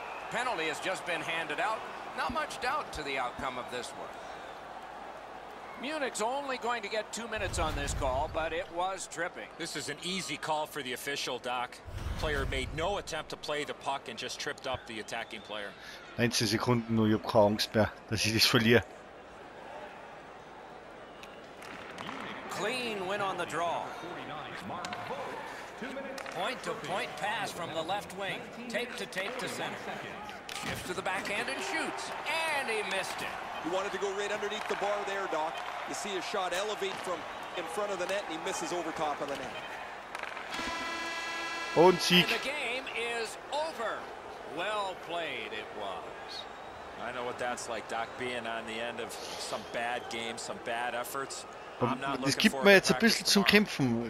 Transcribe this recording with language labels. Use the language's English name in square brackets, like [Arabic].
[English] Penalty has just been handed out. Not much doubt to the outcome of this one. Munich's only going to get 2 minutes on this call, but it was tripping. This is an easy call for the official, Doc. Player made no attempt to play the puck and just tripped up the attacking player. [German] 19 Sekunden, nur ich hab keine Angst mehr, dass ich das verliere. [English] Clean win on the draw. Point to point pass from the left wing. Tape to tape to center. Shifts to the backhand and shoots. And he missed it. He wanted to go right underneath the bar there, Doc. You see a shot elevate from in front of the net, and he misses over top of the net. [German] Und Sieg. [English] And the game is over. Well played it was. I know what that's like, Doc, being on the end of some bad games, some bad efforts. [German] Das gibt mir jetzt ein bisschen zum Kämpfen.